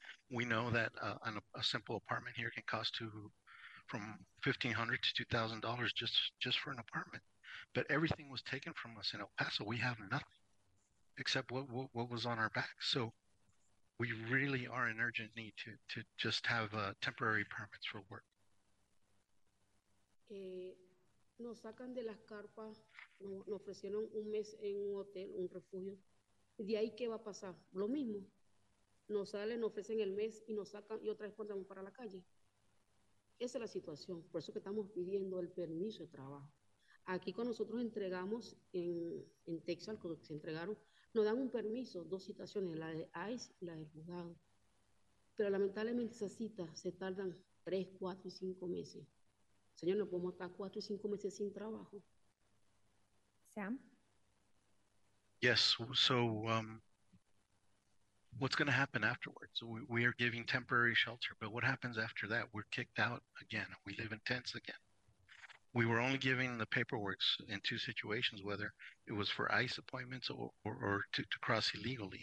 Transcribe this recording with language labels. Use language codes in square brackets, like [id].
[en] We know that a simple apartment here can cost from $1,500 to $2,000 just for an apartment. But everything was taken from us in El Paso. We have nothing except what was on our back. So we really are in urgent need to just have temporary permits for work. [es] Nos sacan de las carpas, nos ofrecieron un mes en un hotel, un refugio. ¿De ahí qué va a pasar? Lo mismo. Nos salen, nos ofrecen el mes y nos sacan y otra vez pasamos para la calle. Esa es la situación, por eso que estamos pidiendo el permiso de trabajo. Aquí con nosotros entregamos en Texas, cuando se entregaron, nos dan un permiso, 2 citaciones, la de ICE y la del juzgado. Pero lamentablemente esas citas se tardan 3, 4 y 5 meses. Señor, no podemos estar 4 y 5 meses sin trabajo. Sam. [en] Yes, so what's going to happen afterwards? We are giving temporary shelter, but what happens after that? We're kicked out again. We live in tents again. We were only given the paperwork in 2 situations, whether it was for ICE appointments or to cross illegally.